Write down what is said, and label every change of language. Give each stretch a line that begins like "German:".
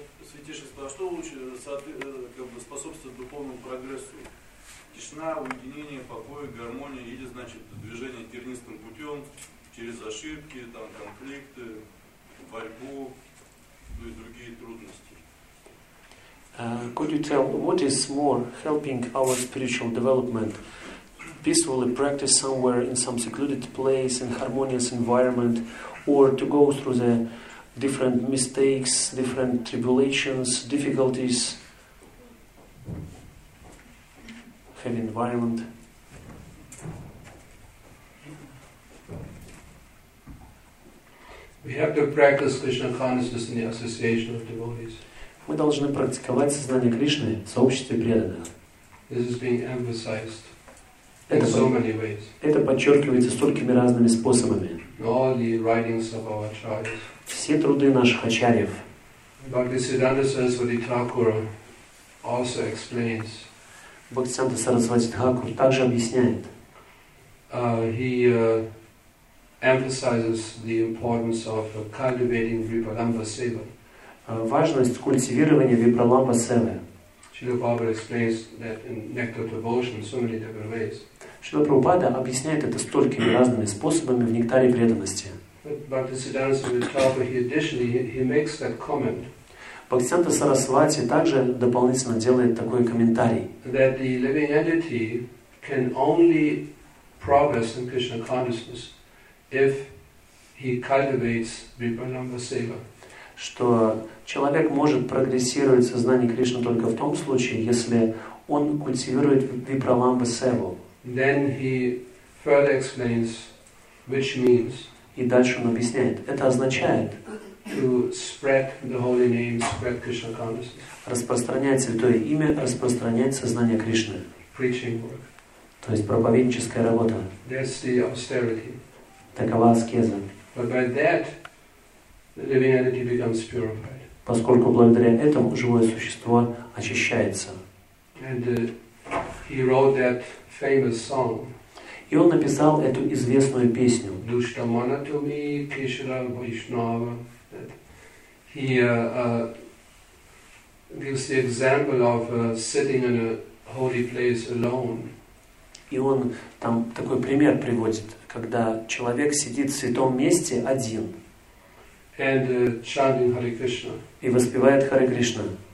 Russian: Святейшество, а что лучше способствовать духовному прогрессу? Тишина, уединение, покой, гармония или, значит, движение тернистым путем? Через ошибки, там, конфликты, борьбу, ну и другие трудности.
English: Could you tell what is more helping our spiritual development? Peacefully practice somewhere in some secluded place in harmonious environment, or to go through the different mistakes, different tribulations, difficulties, heavy environment? We have to practice Krishna consciousness in the association of devotees.
Russian: Мы должны практиковать сознание Кришны в сообществе преданных.
English: This is being emphasized in so many ways.
Russian: Это подчеркивается столькими разными способами.
English: All the writings of our acharyas.
Russian: Все труды наших ачарьев.
English: Bhaktisiddhanta Saraswati Thakur also explains.
Russian: Бхактисиддханта Сарасвати Тхакур также объясняет.
English: He emphasizes the importance of cultivating Vipralamba Seva.
Russian: Важность культивирования Випраламба Севы.
English: Srila Prabhupada explains that in Nectar Devotion so many different ways.
Russian: Srila Prabhupada объясняет это столькими разными способами в нектаре преданности.
English: Bhaktisiddhanta Saraswati Thakur, he additionally makes that comment.
Russian: Бхактисиддханта Сарасвати также дополнительно делает такой комментарий.
English: That the living entity can only progress in Krishna consciousness if he cultivates Vipralamba Seva.
Russian: Что человек может прогрессировать в сознании Кришны только в том случае, если он культивирует Випраламба Севу.
English: Then he further explains which means.
Russian: И дальше он объясняет. Это означает
English: to spread the holy name, spread Krishna consciousness.
Russian: Распространять святое имя, распространять сознание Кришны.
English: Preaching work.
Russian: То есть проповедническая работа.
English: That's the austerity.
Russian: Такова аскеза.
English: But by that, the living entity becomes purified.
Russian: Поскольку благодаря этому живое существо очищается.
English: And he wrote that famous song.
Russian: И он написал эту известную песню.
Bangla: Душта манатуми кешра вайшнава.
English: He gives the example of sitting in a holy place alone.
Russian: И он там такой пример приводит, когда человек сидит в святом месте один.
English: And chanting Hare Krishna.
Russian: И воспевает Харе Кришна.